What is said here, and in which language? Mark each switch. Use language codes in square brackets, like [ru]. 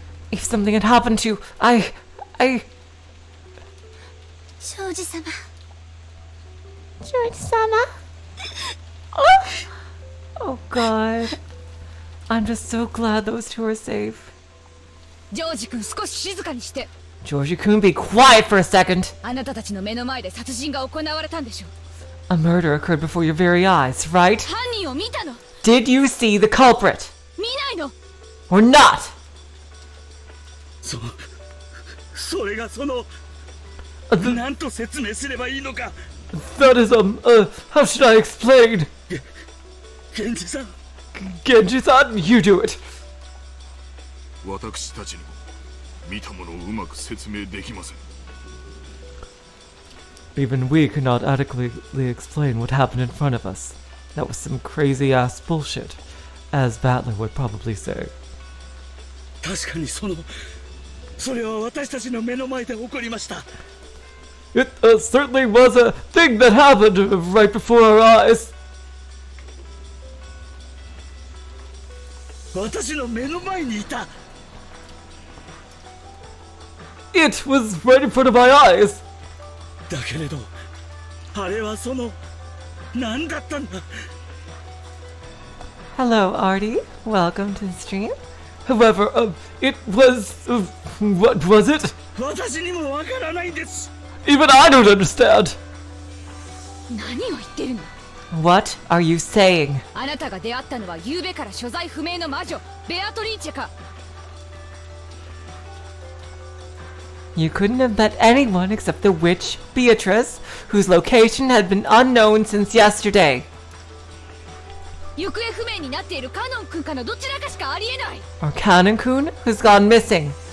[en] If something had happened to you, I... Shouji-sama. Shouji-sama. Oh, God. I'm just so glad those two are safe. [ja] Georgie-kun, 少し静かにして! [en] Georgie-kun, be quiet for a second! [ja] あなたたちの目の前で殺人が行われたんでしょう? [en] A murder occurred before your very eyes, right? [ja] 犯人を見たの! [en] Did you see the culprit? [ja] 見ないの! [en] Or not? [ja] それがその... なんと説明すればいいのか? [en] That is how should I explain? Genji-san! Genji-san, you do it! [ja] 私たちにも... 見たものをうまく説明できません。 [en] Even we could not adequately explain what happened in front of us. That was some crazy-ass bullshit, as Battler would probably say. [ja] 確かにその... それは私たちの目の前で起こりました。 [en] It certainly was a thing that happened right before our eyes. [ja] 私の目の前にいた! [en] It was right in front of my eyes! [ja] だけれど...あれはその...何だったんだ? [en] Hello, Artie. Welcome to the stream. However, it was... what was it? [ja] 私にもわからないんです! [en] Even I don't understand! [ja] 何を言ってるの? [en] What are you saying? [ja] あなたが出会ったのは昨夜から所在不明の魔女、ベアトリーチェか! [en] You couldn't have met anyone except the witch, Beatrice, whose location had been unknown since yesterday. Or Kanon-kun, who's gone missing.